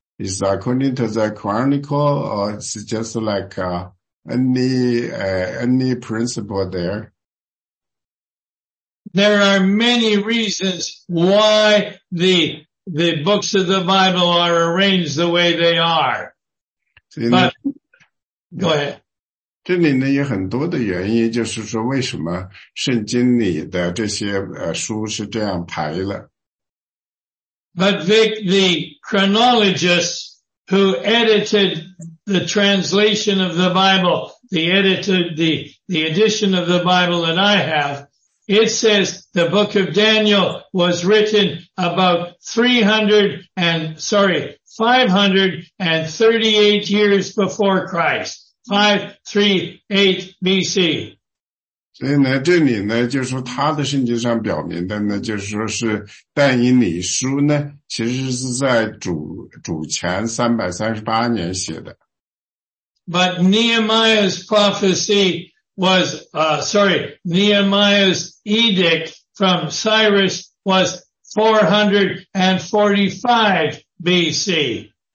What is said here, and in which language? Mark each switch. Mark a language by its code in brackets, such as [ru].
[en] Is according to the chronicle or is it just like any principle there? There are many reasons why the books of the Bible are arranged the way they are. But, go ahead. [zh] 这里呢有很多的原因，就是说为什么圣经里的这些书是这样排了。 [en] But Vic, the chronologists who edited the translation of the Bible, the edition of the Bible that I have,It says the book of Daniel was written about 538 years before Christ, 538 BC. [zh] 所以呢，这里呢，就是说他的圣经上表明的呢，就是说是但以理书呢，其实是在主前338年写的。 [en] But Nehemiah's prophecy. Nehemiah's edict from Cyrus was 445 BC.